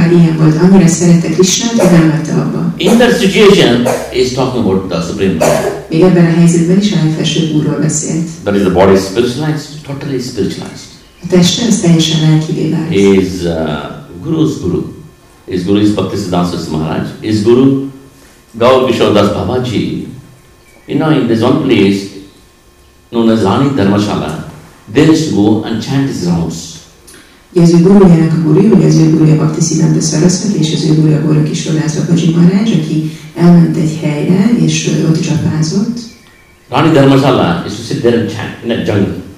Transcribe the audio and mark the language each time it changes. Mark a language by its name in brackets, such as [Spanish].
[Hungarian] ilyen volt, annyira szerette Krishnát, hogy nem hagyta abba. [English] In that situation, he's talking about the Supreme Lord. [Hungarian] Még ebben a helyzetben is a legfelsőbb úrról beszélt. [English] But is the body spiritualized? Totally spiritualized. [Hungarian] A teste az teljesen lelkivé vált. [English] His Guru's Guru. His Guru is Bhaktisiddhanta Saraswati Maharaj. His Guru, Gaur Kishordas Babaji. You know, in this one place, known as Rani Dharmashala, there is to go and chant his rounds. [Hungarian] Az ő gurujának a gurujú, az ő gurujú a Bhaktisiddhanta Saraswati, és az ő gurujú a Gaur Kishordas Babaji Maharaj, aki elment egy helyre, és ott csapázott. [English] Rani Dharmashala is to sit there and chant in a jungle.